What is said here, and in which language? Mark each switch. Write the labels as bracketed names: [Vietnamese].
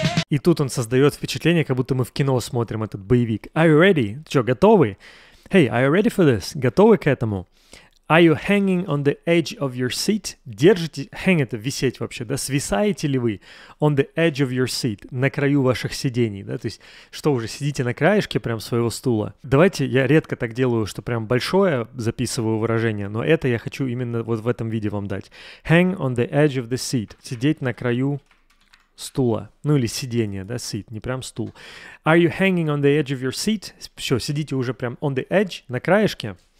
[Russian] И тут он создает впечатление, как будто мы в кино смотрим этот боевик. [English] Are you ready? [Russian] Чё, готовы? [English] Hey, are you ready for this? [Russian] Готовы к этому? [English] Are you hanging on the edge of your seat? [Russian] Держите, hang — это висеть вообще, да? Свисаете ли вы [English] on the edge of your seat, [Russian] на краю ваших сидений, да? То есть что уже, сидите на краешке прям своего стула? Давайте, я редко так делаю, что прям большое записываю выражение, но это я хочу именно вот в этом виде вам дать. [English] Hang on the edge of the seat. [Russian] Сидеть на краю стула, ну или сиденья, да, seat, не прям стул. [English] Are you hanging on the edge of your seat? [Russian] Все, сидите уже прям [English] on the edge, [Russian] на краешке.